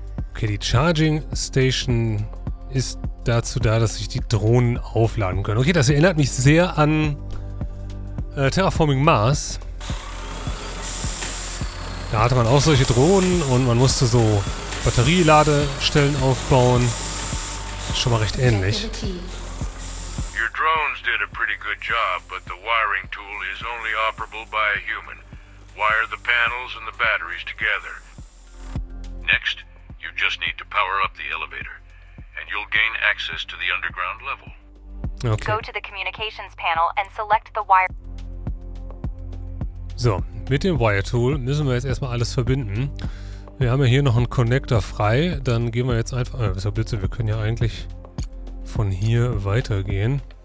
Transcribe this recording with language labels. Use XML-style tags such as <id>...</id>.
<de>Okay, die Charging Station ist dazu da, dass sich die Drohnen aufladen können. Okay, das erinnert mich sehr an Terraforming Mars. Da hatte man auch solche Drohnen und man musste so Batterieladestellen aufbauen. Schon mal recht ähnlich.</de> <en>Your drones did a pretty good job, but the wiring tool is only operable by a human. Wire the panels and the batteries together. Next, you just need to power up the elevator and you'll gain access to the underground level. Okay. Go to the communications panel and select the wire.</en> <de>So, mit dem Wire-Tool müssen wir jetzt erstmal alles verbinden. Wir haben ja hier noch einen Connector frei. Dann gehen wir jetzt einfach... Ist ja Blitze, wir können ja eigentlich von hier weitergehen.</de>